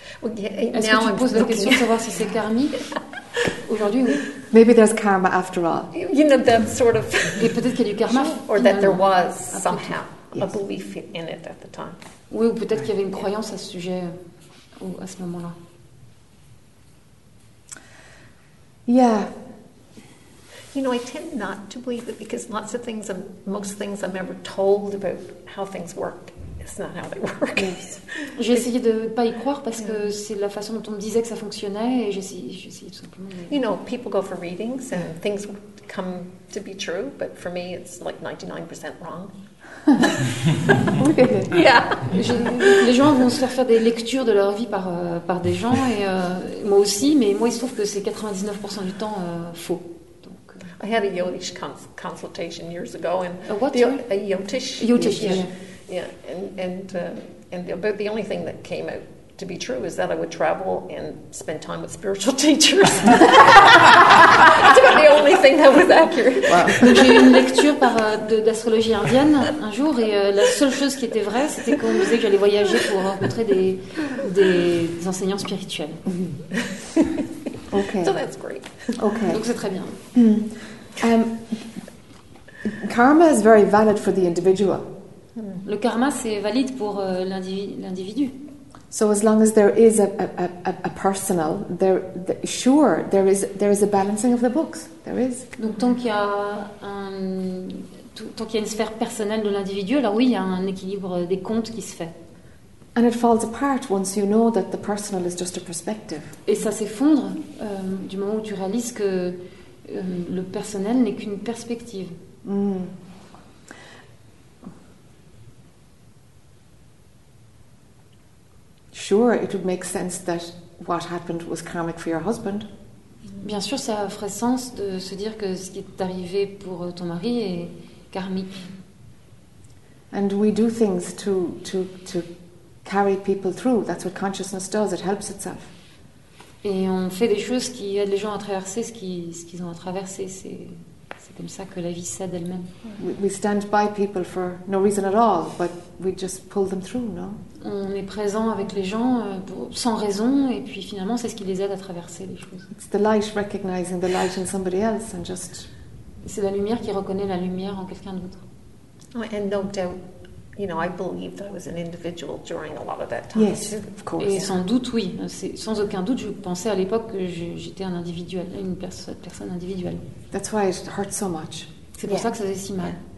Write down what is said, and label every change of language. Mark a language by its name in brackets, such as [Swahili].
[French] Okay, est-ce que tu poses la question de savoir si c'est karmique? Aujourd'hui, oui. [English] Maybe there's karma after all. You know, that sort of. [French] Et peut-être qu'il y a du karma. [English] Or that there was somehow a belief in it at the time. [French] Oui, ou peut-être qu'il y avait une croyance à ce sujet ou à ce moment-là. [English] Yeah. You know, I tend not to believe it because lots of things, most things I'm ever told about how things work, it's not how they work. [French] J'ai essayé de pas y croire parce que c'est la façon dont on me disait que ça fonctionnait et j'essayais tout simplement. [English] You know, people go for readings and things come to be true, but for me it's like 99% wrong. [French] Les gens vont se faire des lectures de leur vie par des gens et moi aussi, mais moi il se trouve que c'est 99% du temps faux. [English] I had a yotish consultation years ago, and about the only thing that came out to be true is that I would travel and spend time with spiritual teachers. That's about the only thing that was accurate. Wow. [French] Donc, j'ai eu une lecture d'astrologie indienne un jour, et la seule chose qui était vraie, c'était qu'on disait que j'allais voyager pour rencontrer des enseignants spirituels. [English] Okay. So that's great. Okay. [French] Donc c'est très bien. [English] Karma is very valid for the individual. [French] Le karma c'est valide pour l'individu. [English] So as long as there is a personal, there is a balancing of the books. There is. [French] Donc tant qu'il y a une sphère personnelle de l'individu, alors oui, il y a un équilibre des comptes qui se fait. [English] And it falls apart once you know that the personal is just a perspective. [French] Et ça s'effondre du moment où tu réalises que le personnel n'est qu'une perspective. Mm. [English] Sure, it would make sense that what happened was karmic for your husband. [French] Bien sûr, ça ferait sens de se dire que ce qui est arrivé pour ton mari est karmique. [English] And we do things to carry people through. That's what consciousness does. It helps itself. [French] Et on fait des choses qui aident les gens à traverser ce qu'ils ont à traverser. C'est comme ça que la vie s'aide elle-même. [English] We stand by people for no reason at all, but we just pull them through, no? [French] On est présent avec les gens sans raison, et puis finalement, c'est ce qui les aide à traverser les choses. [English] It's the light recognizing the light in somebody else and just. [French] C'est la lumière qui reconnaît la lumière en quelqu'un d'autre. [English] And no doubt. You know, I believed I was an individual during a lot of that time. Yes, of course. [French] Et sans doute, oui. Sans aucun doute, je pensais à l'époque que j'étais un individuel, une personne individuelle. [English] That's why it hurts so much. [French] C'est pour ça que ça faisait si mal.